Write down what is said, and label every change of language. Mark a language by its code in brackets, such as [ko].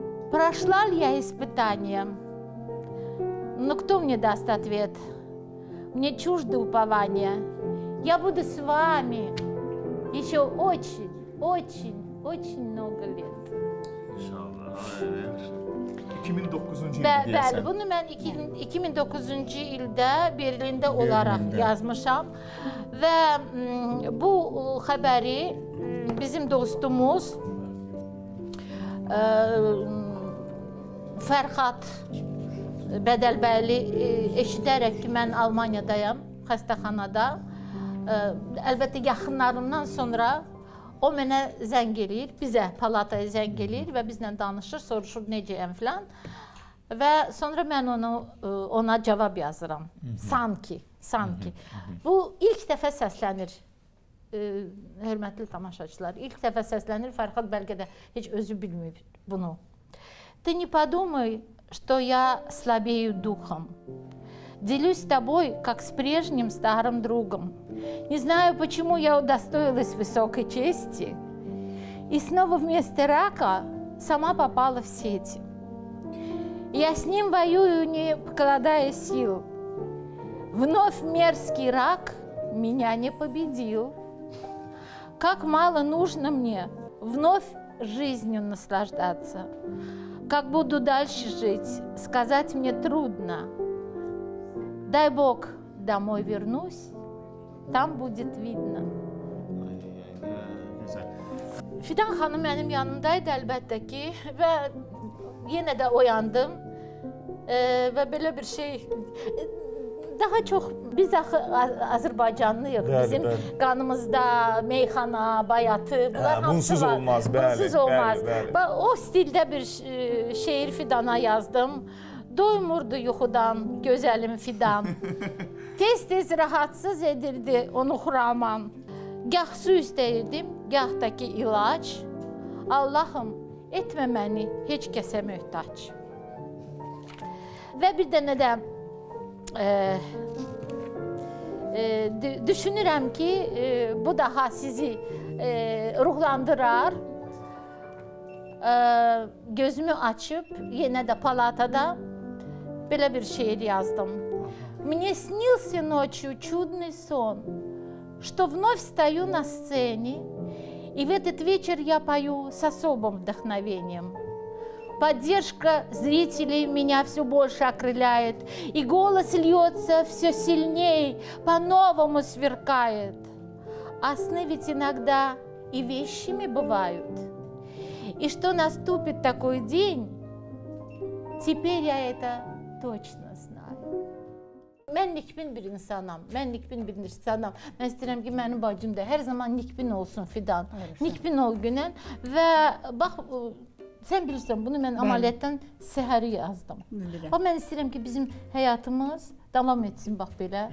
[ru] Прошла ли я испытание? Но кто мне даст ответ? Мне чуждо упование. Я буду с вами еще очень, очень, очень много лет. [az] Иншаллах. 2009-cu ildə deyəsən. Bəli, bunu mən 2009-cu ildə Berlində olaraq yazmışam. Və bu xəbəri bizim dostumuz Fərxat Bədəlbəyli eşidərək ki, mən Almaniyadayam, xəstəxanada. Əlbəttə, yaxınlarımdan sonra o mənə zəng eləyir, bizə palataya zəng eləyir və bizlə danışır, soruşur necəyəm filan. Və sonra mən ona cavab yazıram. Sanki. Bu ilk dəfə səslənir, hörmətli tamaşaçılar. İlk dəfə səslənir, Fərxat bəlkə də heç özü bilməyib bunu. [ru] Ты не подумай, что я слабею духом. делюсь с тобой, как с прежним старым другом. Не знаю, почему я удостоилась высокой чести. И снова вместо рака сама попала в сети. Я с ним воюю, не покладая сил. Вновь мерзкий рак меня не победил. Как мало нужно мне вновь жизнью наслаждаться. Как буду дальше жить, сказать мне трудно. Дай Бог, домой вернусь, там будет видно. [az] Fidan xanım mənim yanımdaydı əlbəttə ki və yenə də oyandım və belə bir şey daha çox biz axı Azərbaycanlıyıq bizim bəli. Qanımızda meyxana, bayatı bunlar bunsuz olmaz, bəli, bunsuz olmaz. Bəli. O stildə bir şeir Fidana yazdım. Doymurdu yuxudan gözəlim Fidan. Tez-tez rahatsız edirdi onu xuraman. Gah su istəyirdim, gah da ki ilac. Allahım, etmə məni heç kəsə möhtac. Və bir dənə də düşünürəm ki, bu daha sizi ruhlandırar. Gözümü açıb yenə də palatada belə bir şeir yazdım. [ru] Мне снился ночью чудный сон. Что вновь стою на сцене, и в этот вечер я пою с особым вдохновением. Поддержка зрителей меня все больше окрыляет, и голос льется все сильнее, по-новому сверкает. А сны ведь иногда и вещами бывают. И что наступит такой день, теперь я это точно. [az] Mən nikbin bir insanam. Mən nikbin bir insanam. Mən istəyirəm ki, mənim bacım da hər zaman nikbin olsun Fidan. Nikbin ol günən. Və bax, sən bilirsən, bunu mən amaliyyətdən səhəri yazdım. Bilirəm. Mən istəyirəm ki, bizim həyatımız davam etsin bax belə.